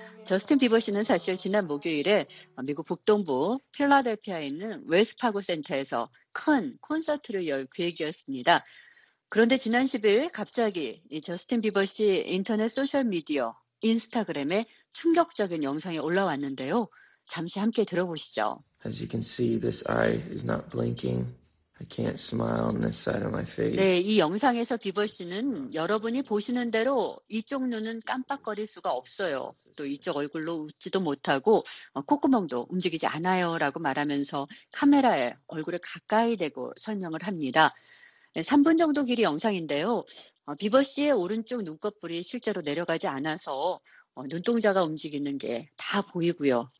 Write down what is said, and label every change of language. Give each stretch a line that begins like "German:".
Korean: 저스틴 비버 씨는 사실 지난 목요일에 미국 북동부 필라델피아에 있는 웨스파고 센터에서 큰 콘서트를 열 계획이었습니다. 그런데 지난 10일 갑자기 이 저스틴 비버 씨 인터넷 소셜미디어 인스타그램에 충격적인 영상이 올라왔는데요. 잠시 함께 들어보시죠.
English: As you can see, this eye is not blinking. I can't smile on this side of my face.
Korean: 네, 이 영상에서 비버 씨는 여러분이 보시는 대로 이쪽 눈은 깜빡거릴 수가 없어요. 또 이쪽 얼굴로 웃지도 못하고 콧구멍도 움직이지 않아요 라고 말하면서 카메라에 얼굴을 가까이 대고 설명을 합니다. 네, 3분 정도 길이 영상인데요. 비버 씨의 오른쪽 눈꺼풀이 실제로 내려가지 않아서 눈동자가 움직이는 게 다 보이고요.